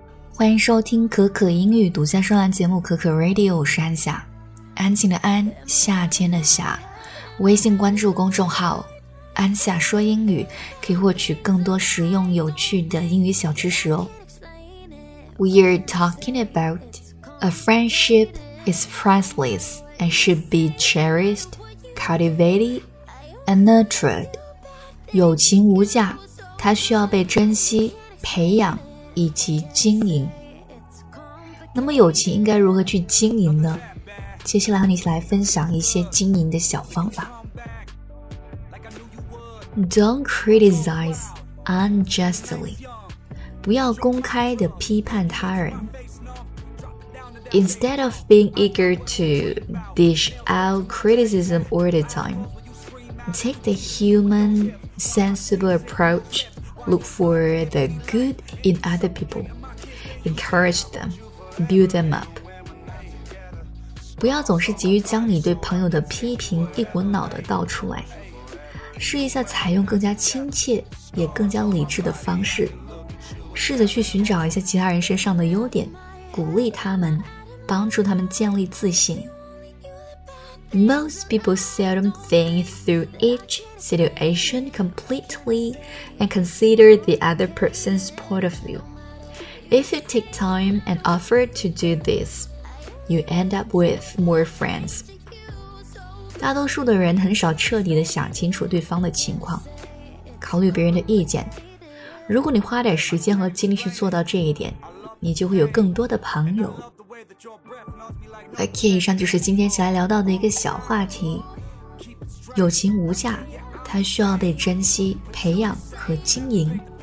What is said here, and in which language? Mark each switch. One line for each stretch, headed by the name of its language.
Chinese: 欢迎收听可可英语独家专栏节目可可 Radio， 我是安夏，安静的安，夏天的夏。微信关注公众号安夏说英语，可以获取更多实用有趣的英语小知识哦。
English: We're talking about a friendship is priceless and should be cherished, cultivated and nurtured.
Chinese: 友情无价，它需要被珍惜、培养以及经营。那么友情应该如何去经营呢？接下来和你一起来分享一些经营的小方法。 Don't criticize unjustly. 不要公开地批判他人。
English: Instead of being eager to dish out criticism all the time, take the human, sensible approach. Look for the good in other people. Encourage them. Build them up.
Chinese: 不要总是急于将你对朋友的批评一股脑地倒出来。试一下采用更加亲切也更加理智的方式，试着去寻找一下其他人身上的优点，鼓励他们，帮助他们建立自信。
English: Most people seldom think through each situation completely and consider the other person's point of view. If you take time and offer to do this, you end up with more friends.
Chinese: 大多数的人很少彻底地想清楚对方的情况，考虑别人的意见。如果你花点时间和精力去做到这一点，你就会有更多的朋友。 OK， 以上就是今天起来聊到的一个小话题。友情无价，它需要被珍惜、培养和经营。